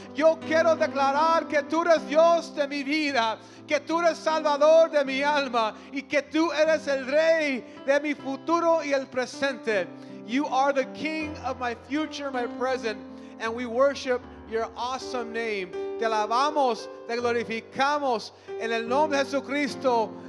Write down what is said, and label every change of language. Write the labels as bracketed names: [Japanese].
[Spanish] Yo quiero declarar que tú eres Dios de mi vida, que tú eres Salvador de mi alma y que tú eres el Rey de mi futuro y el presente. [English] You are the King of my future, my present, and we worship your awesome name. [Spanish] Te alabamos, te glorificamos en el nombre de Jesucristo.